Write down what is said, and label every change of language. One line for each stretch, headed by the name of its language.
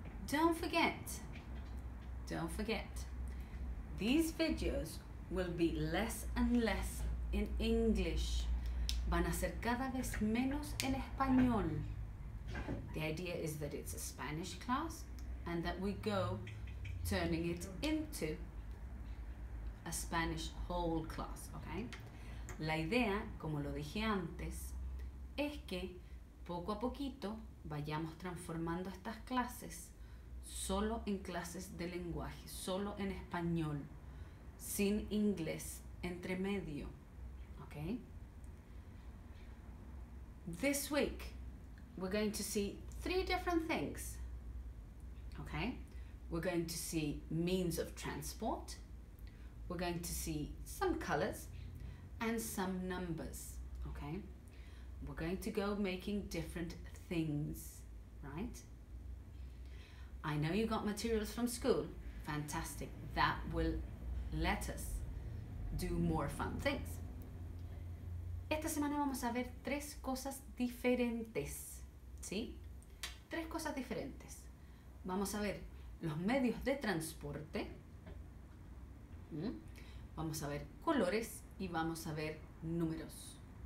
English: Don't forget, these videos will be less and less in English.
Spanish: Van a ser cada vez menos en español.
English: The idea is that it's a Spanish class and that we go turning it into a Spanish whole class, okay?
Spanish: La idea, como lo dije antes, es que poco a poquito vayamos transformando estas clases solo en clases de lenguaje, solo en español, sin inglés entre medio, okay?
English: This week we're going to see three different things. Okay? We're going to see means of transport. We're going to see some colors and some numbers. Okay? We're going to go making different things, right? I know you got materials from school. Fantastic. That will let us do more fun things.
Spanish: Esta semana vamos a ver tres cosas diferentes. ¿Sí? Tres cosas diferentes. Vamos a ver los medios de transporte. Vamos a ver colores y vamos a ver números.